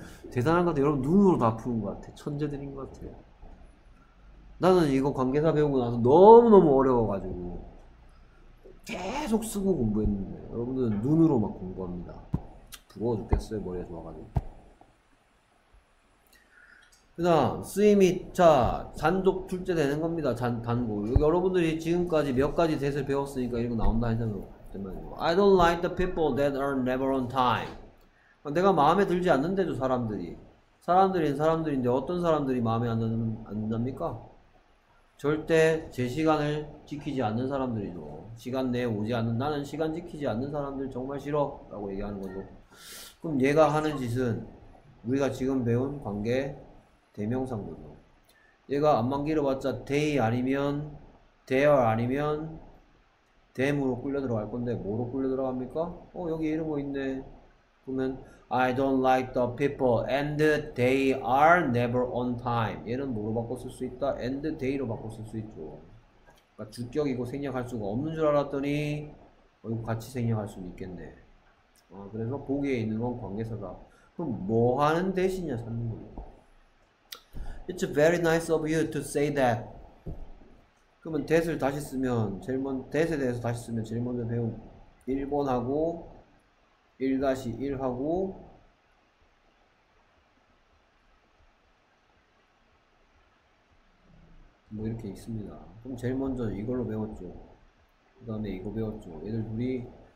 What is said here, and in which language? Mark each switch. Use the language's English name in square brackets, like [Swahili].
[Korean] 대단한 것 같아요. 여러분, 눈으로 다 푸는 것 같아요. 천재들인 것 같아요. 나는 이거 관계사 배우고 나서 너무너무 어려워가지고 계속 쓰고 공부했는데 여러분들은 눈으로 막 공부합니다. 부러워 죽겠어요. 머리가 좋아가지고. 그다음 쓰임이 자 단독 출제되는 겁니다. 단고 여러분들이 지금까지 몇 가지 뜻을 배웠으니까 이런 거 나온다 했잖아요. [English] I don't like the people that are never on time. [Korean] 내가 마음에 들지 않는데도 사람들인데 어떤 사람들이 마음에 안 듭니까? 절대 제 시간을 지키지 않는 사람들이죠. 시간 내에 오지 않는, 나는 시간 지키지 않는 사람들 정말 싫어. 라고 얘기하는 거죠. 그럼 얘가 하는 짓은 우리가 지금 배운 관계 대명사인 거죠. 얘가 앞만 길어봤자 they 아니면 there 아니면 them으로 끌려 들어갈 건데 뭐로 끌려 들어갑니까? 여기 이런 거 있네. 그러면 [English] I don't like the people and they are never on time. [Korean] 얘는 뭐로 바꿔 쓸수 있다? [English] and they [Korean] 로 바꿔 쓸수 있죠. 그러니까 주격이고 생략할 수가 없는 줄 알았더니 이거 같이 생략할 수 있겠네. 그래서 보기에 있는 건 관계사다. 그럼 뭐 하는 대신이냐 찾는 거예요. [English] It's very nice of you to say that. [Korean] 그러면 that을 다시 쓰면 제일 먼저 that에 대해서 다시 쓰면 제일 먼저 배운 1번하고 1-1하고 뭐 이렇게 있습니다. 그럼 제일 먼저 이걸로 배웠죠. 그 다음에 이거 배웠죠. 얘들 둘이